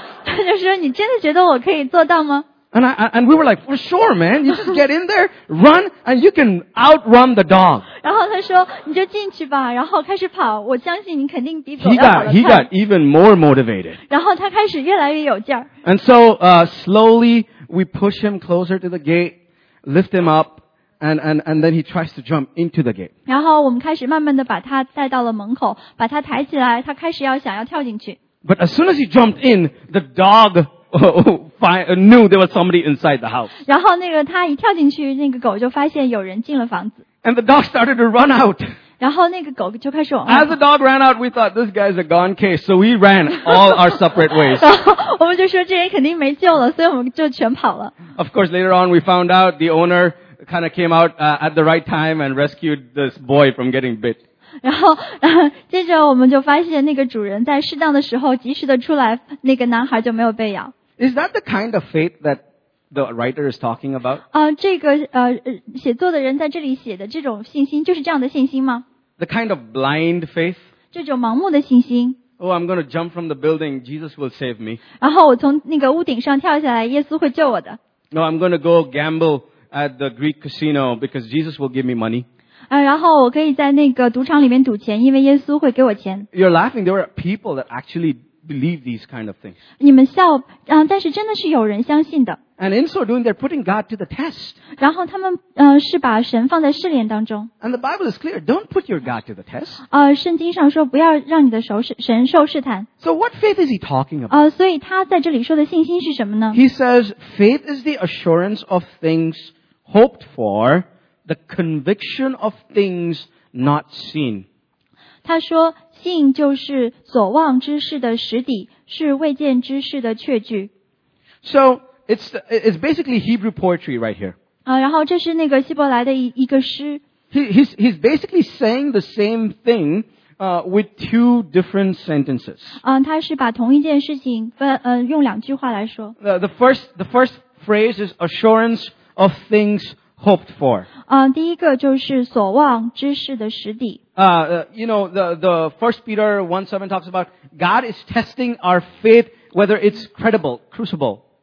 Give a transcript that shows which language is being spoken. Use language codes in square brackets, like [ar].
[zh] 然后他就说你真的觉得我可以做到吗 [en] And we were like, for sure, man. You just get in there, run, and you can outrun the dog. [zh] 然后他说你就进去吧然后开始跑我相信你肯定比狗要跑得快。 [en] He got even more motivated. [zh] 然后他开始越来越有劲儿。 [en] And so, slowly, we push him closer to the gate, lift him up,And then he tries to jump into the gate. [zh] 然后我们开始慢慢地把他带到了门口把他抬起来他开始想要跳进去。 [en] But as soon as he jumped in, the dog knew there was somebody inside the house. [zh] 然后那个他一跳进去那个狗就发现有人进了房子。 [en] And the dog started to run out. [zh] 然后那个狗就开始往外跑。 [en] As the dog ran out, we thought this guy's a gone case, so we ran all our separate ways. [zh] 我们就说这人肯定没救了所以我们就全跑了。 [en] Of course, later on, we found out the owner,kind of came out at the right time and rescued this boy from getting bit. [zh] 然后接着我们就发现那个主人在适当的时候及时的出来那个男孩就没有被咬。 [en] Is that the kind of faith that the writer is talking about? [zh] 这个写作的人在这里写的这种信心就是这样的信心吗 [en] The kind of blind faith? [zh] 这种盲目的信心。 [en] Oh, I'm going to jump from the building. Jesus will save me. [zh] 然后我从那个屋顶上跳下来耶稣会救我的。 [en] No, I'm going to go gamble. At the Greek casino, because Jesus will give me money. [zh] 然后我可以在那个赌场里面赌钱，因为耶稣会给我钱。 [en] You're laughing. There were people that actually believe these kind of things. [zh] 你们笑，但是真的是有人相信的。 [en] And in so doing, they're putting God to the test. [zh] 然后他们是把神放在试炼当中。 [en] And the Bible is clear. Don't put your God to the test. [zh] 圣经上说不要让你的神受试探。 [en] So what faith is he talking about? [zh] 所以他在这里说的信心是什么呢 [en] ？He says faith is the assurance of things hoped for, the conviction of things not seen. [zh] 他说信就是所望之事的实底，是未见之事的确据。 [en] So. It's basically Hebrew poetry right here. [zh] 然后这是那个希伯来的一个诗。 [en] He's basically saying the same thing, with two different sentences. [zh] 他是把同一件事情用两句话来说。 [en] The first phrase is assurance of things hoped for. [zh] 第一个就是所望之事的实底。 [en] You know, the First Peter 1:7 talks about God is testing our faith, whether it's credible, crucible.